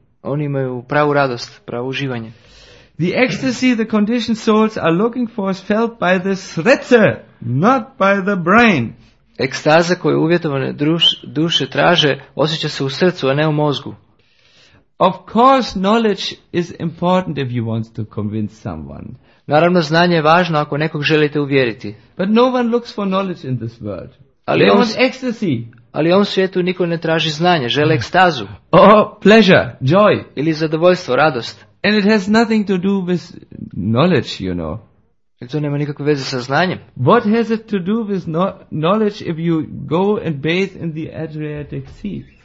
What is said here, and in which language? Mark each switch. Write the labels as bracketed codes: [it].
[hr] Oni imaju pravu radost, pravo uživanje. [en] The ecstasy the conditioned souls are looking for is felt by the [hr] srce, [en] not by the brain. [hr] Ekstaza koju uvjetovane duše traže, osjeća se u srcu, a ne u mozgu. [en] Of course, knowledge is important if you want to convince someone. [hr] Naravno, znanje je važno ako nekog želite uvjeriti. [en] But no one looks for knowledge in this world. [hr] Ali [en] they want ecstasy. [hr] Ali u ovom svijetu niko ne traži znanje, žele ekstazu. [en] Oh, pleasure, joy. [hr] Ili zadovoljstvo, radost. [en] And it has nothing to do with knowledge, you know. [hr] To nema nikakve veze sa znanjem. [en] What has it to do with knowledge if you go and bathe in the Adriatic Sea?